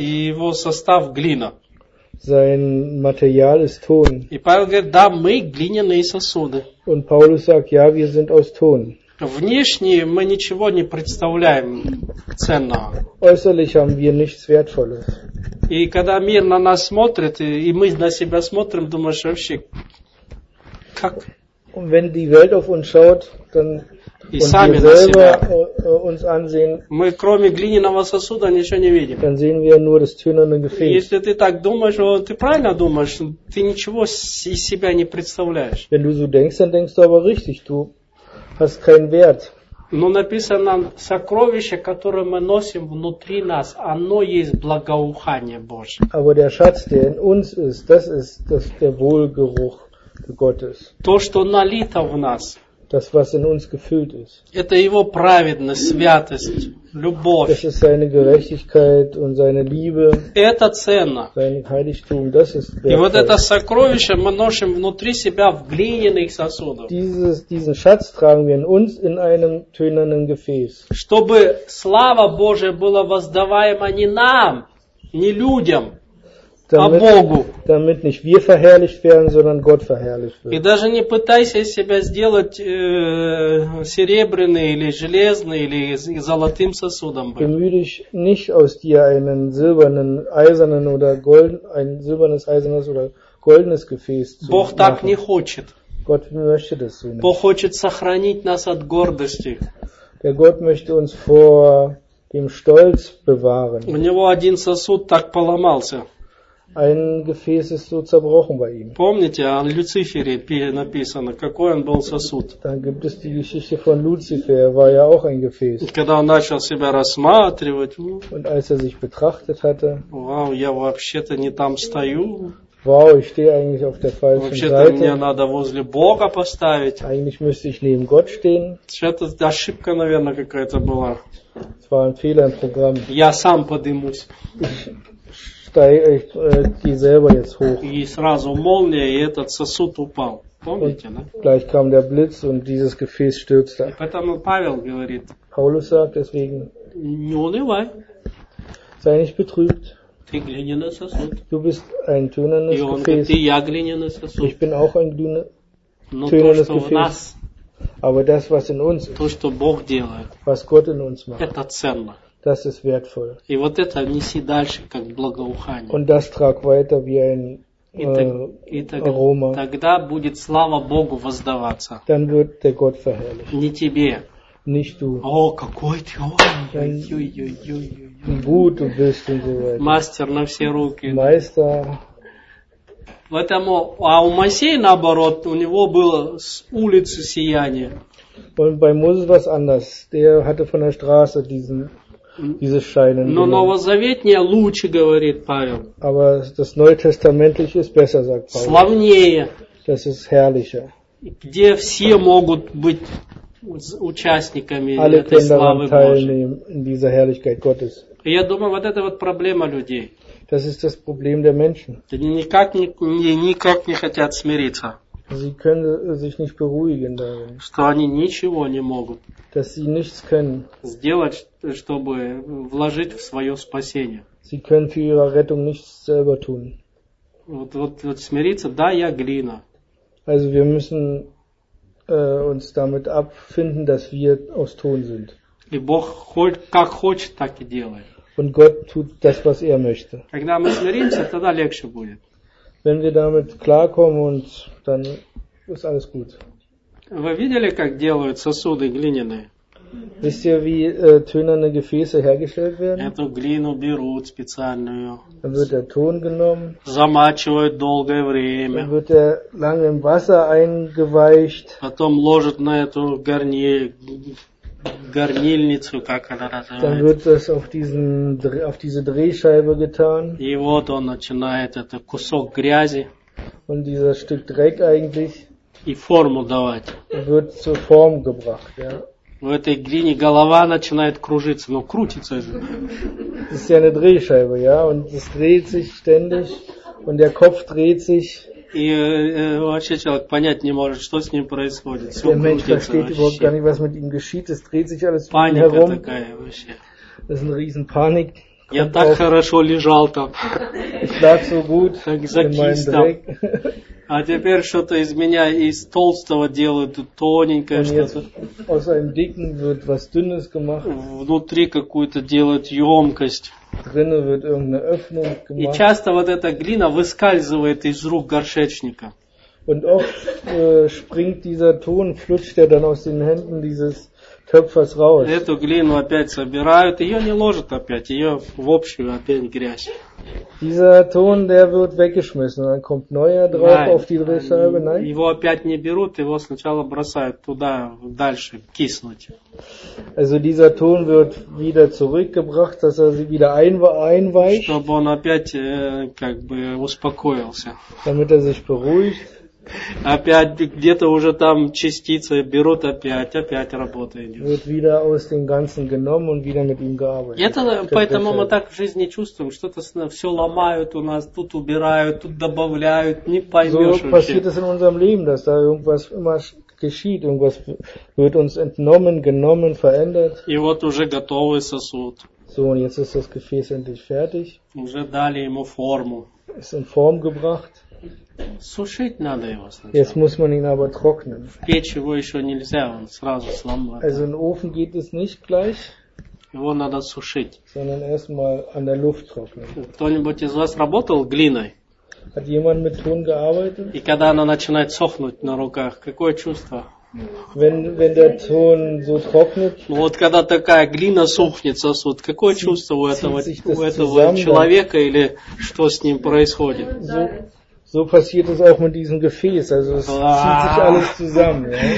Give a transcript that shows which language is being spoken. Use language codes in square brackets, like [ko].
[ru] И его состав глина. [de] Sein Material ist Ton. [ru] И Павел говорит, да, мы глиняные сосуды. [de] Und Paulus sagt, ja, wir sind aus Ton. [ru] Внешне мы ничего не представляем ценного. [de] Äußerlich haben wir nichts Wertvolles. [ru] И когда мир на нас смотрит, и мы на себя смотрим, думаешь, вообще, как? [de] Und wenn die Welt auf uns schaut, dann [ru] и сами [de] wir [ru] на [de] selber [ru] себя [de] uns ansehen, [ru] мы кроме глиняного сосуда ничего не видим. [de] Dann sehen wir nur das tönerne Gefäß. [ru] Если ты так думаешь, ну, ты правильно думаешь, ты ничего из себя не представляешь. [de] Wenn du so denkst, dann denkst du aber richtig, du hast keinen Wert. [ru] Но написано, сокровище, которое мы носим внутри нас, оно есть благоухание Божье. [de] Aber der Schatz, der in uns ist, das ist das, der Wohlgeruch Gottes. [ru] То, что налито в нас. [de] Das, was in uns gefüllt ist. [ru] Это его праведность, святость, любовь. [de] Das ist seine Gerechtigkeit und seine Liebe. [ru] Это ценно. [de] Sein Heiligtum, das ist wertvoll. [ru] И вот это сокровище мы носим внутри себя в глиняных сосудах. [de] Diesen Schatz tragen wir in uns in einem tönernen Gefäß. [ru] Чтобы слава Божия была воздаваема не нам, не людям. [de] Damit, [ru] а Богу. [de] Damit nicht wir verherrlicht werden, sondern Gott verherrlicht wird. [ru] И даже не пытайся из себя сделать серебряный или железный или золотым сосудом. [de] Bemühe dich nicht aus dir einen silbernen, eisernen oder golden, ein silbernes, eisernes oder goldenes Gefäß zu [ru] Бог [de] machen. [ru] Так не хочет. [de] Gott möchte das so nicht. [ru] Бог хочет сохранить нас от гордости. [de] Der Gott möchte uns vor dem Stolz bewahren. [ru] У него один сосуд так поломался. [de] Ein Gefäß ist so zerbrochen bei ihm. [ru] Помните, о Люцифере написано, какой он был сосуд. [de] Dann gibt es die Geschichte von Lucifer, er war ja auch ein Gefäß. [ru] Когда он начал себя рассматривать. [de] Und als er sich betrachtet hatte. [ru] Wow, я вообще-то не там стою. [de] Wow, ich stehe eigentlich auf der falschen [ru] вообще-то [de] Seite. [ru] Вообще-то мне надо возле Бога поставить. [de] Eigentlich müsste ich neben Gott stehen. [ru] Что-то ошибка, наверное, какая-то была. [de] Es war ein Fehler im Programm. [ru] Я сам поднимусь. [de] Die selber jetzt hoch. [ru] И сразу молния, и этот сосуд упал. Помните, [de] und [ru] да? [de] Gleich kam der Blitz und dieses Gefäß stürzte. [ru] И поэтому Павел говорит. [de] Paulus sagt deswegen. [ru] Не унывай. [de] Sei nicht betrübt. [ru] Ты глиняный сосуд. [de] Du bist ein tönernes Gefäß. [ru] И он говорит, я глиняный сосуд. [de] Ich bin auch ein tönernes Gefäß. Aber das, was in uns [ru] то, что Бог делает. [de] Was Gott in uns macht. [ru] Это ценно. [de] Das ist wertvoll. [ru] И вот это неси дальше, как благоухание. [de] Und das trag weiter wie ein Aroma. [ru] Тогда будет слава Богу воздаваться. [de] Dann wird der Gott verherrlicht. [ru] Не тебе. [de] Nicht du. [ru] О, какой ты! [de] Gut, du bist und so weiter. [ru] Мастер на все руки. [de] Meister. [ru] Поэтому, а у Моисея наоборот, у него было с улицы сияние. [de] Und bei Moses war es anders. Der hatte von der Straße diesen [ru] Но новозаветнее лучше, говорит Павел. [de] Aber das neutestamentliche ist besser, sagt Paulus. [ru] Славнее. [de] Das ist herrlicher. [ru] Где все могут быть участниками [de] Alle [ru] этой славы Божьей. [de] Alle teilnehmen in dieser Herrlichkeit Gottes. [ru] Я думаю, вот это вот проблема людей. [de] Das ist das Problem der Menschen. [ru] Они никак не хотят смириться. [de] Sie können sich nicht beruhigen darin. [ru] Что они ничего не могут. [de] Dass sie nichts können. [ru] Сделать, чтобы вложить в свое спасение. [de] Sie können für ihre Rettung nichts selber tun. [ru] Вот смириться, да, я глина. [de] Also wir müssen uns damit abfinden, dass wir aus Ton sind. [ru] И Бог хоть как хочет, так и делает. [de] Und Gott tut das, was er möchte. [ru] Когда мы смиримся, тогда легче будет. [de] Wenn wir damit klarkommen und dann ist alles gut. [ru] Вы видели, как делают сосуды глиняные? [de] Wisst ihr, wie tönerne Gefäße hergestellt werden? [ru] Эту глину берут специальную. [de] Dann wird der Ton genommen. [ru] Замачивают долгое время. [de] Dann wird er lange im Wasser eingeweicht. [ru] Потом ложат на эту горнильницу, как она называется. [de] Dann wird das auf diese Drehscheibe getan. [ru] И вот он начинает этот кусок грязи. [de] Und dieser Stück Dreck eigentlich. [ru] И форму давать. [de] Wird zur Form gebracht, ja. [ru] В этой глине голова начинает кружиться, но крутится же. [de] Das ist ja eine Drehscheibe, ja, und es dreht sich ständig, und der Kopf dreht sich. [ru] И вообще человек понять не может, что с ним происходит. Все [de] der Mensch versteht [ru] вообще [de] überhaupt gar nicht, was mit ihm geschieht, es dreht sich alles [ru] Паника [de] um ihn herum. [ru] Такая, вообще. [de] Das ist eine riesen Panik. [ru] Я так хорошо лежал там. [de] Ich lag so gut in meinem Dreck. [ru] А теперь что-то из меня из толстого делают тоненькое что-то. [de] Aus einem dicken wird was dünnes gemacht. [ru] Внутри какую-то делают емкость. [de] Drinne wird irgendeine Öffnung gemacht. [ru] И часто вот эта глина выскальзывает из рук горшечника. [de] Und oft springt dieser Ton, flutscht dann aus den Händen dieses Töpfers raus. [ru] Эту глину опять собирают, ее не ложат опять, ее в общую опять грязь. [de] Dieser Ton, der wird weggeschmissen, dann kommt neuer drauf. Nein, auf die Drehscheibe. Nein. [ru] Его опять не берут, его сначала бросают туда, дальше киснуть. [de] Also dieser Ton wird wieder zurückgebracht, dass er sie wieder einweicht. [ru] Чтобы он опять как бы успокоился. [de] Damit er sich beruhigt. [ru] Опять где-то уже там частицы берут, опять работает. [de] Wird wieder aus dem Ganzen genommen und wieder mit ihm gearbeitet. [ru] Это поэтому мы так в жизни чувствуем, что-то все ломают у нас, тут убирают, тут добавляют, не поймешь вообще. [de] So passiert es in unserem Leben, dass da irgendwas immer geschieht, irgendwas wird uns entnommen, genommen, verändert. [ru] И вот уже готовый сосуд. [de] So, und jetzt ist das Gefäß endlich fertig. [ru] Уже дали ему форму. [de] Ist in Form gebracht. [ru] Сушить надо его сначала. [de] Jetzt muss man ihn aber trocknen. [ru] В печь его еще нельзя, он сразу сломает. [de] Also in Ofen geht es nicht gleich. [ru] Его надо сушить. [de] Sondern erstmal an der Luft trocknen. [ru] Кто-нибудь из вас работал глиной? [de] Hat jemand mit Ton gearbeitet? [ru] И когда она начинает сохнуть на руках, какое чувство? [de] Wenn der Ton so trocknet. [ru] Ну вот когда такая глина сохнет, сосуд, какое чувство у этого человека или что с ним происходит? [de] So. So passiert es auch mit diesem Gefäß, also es zieht sich alles zusammen.